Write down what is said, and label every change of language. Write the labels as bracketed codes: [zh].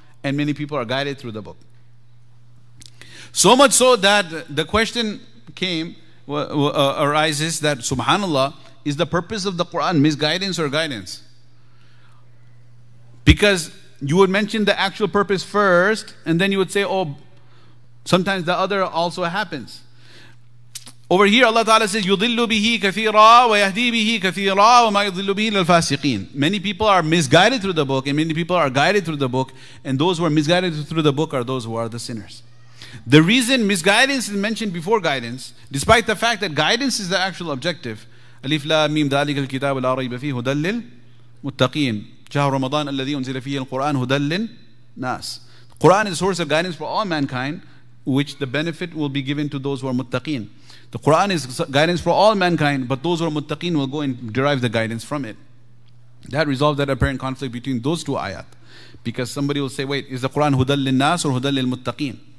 [en] And many people are guided through the book. So much so that the question came, arises that, subhanAllah, is the purpose of the Quran misguidance or guidance? Because you would mention the actual purpose first, and then you would say, oh, sometimes the other also happens. Over here, Allah Ta'ala says, [ar] يُضِلُّ بِهِ كَثِيرًا وَيَهْدِي بِهِ كَثِيرًا وَمَا يُضِلُّ بِهِ لِلْفَاسِقِينَ. [en] Many people are misguided through the book, and many people are guided through the book, and those who are misguided through the book are those who are the sinners. The reason misguidance is mentioned before guidance, despite the fact that guidance is the actual objective, [ar] أَلِفْ لَا مِيمْ ذَلِكَ الْكِتَابُ لَا رَيْبَ فِيهُ هُدَلِّ الْمُتَّقِينَ شَهْرُ رَمَضَانَ الَّذِي أُنزِلَ فِيهِ الْقُرْآنُ هُدَلِّ النَّاسِ. [en] Quran is a source of guidance for all mankind, which the benefit will be given to those who are muttaqeen. The Quran is guidance for all mankind, but those who are muttaqeen will go and derive the guidance from it. That resolves that apparent conflict between those two ayat. Because somebody will say, wait, is the Quran hudal lin nas or hudal lil muttaqeen?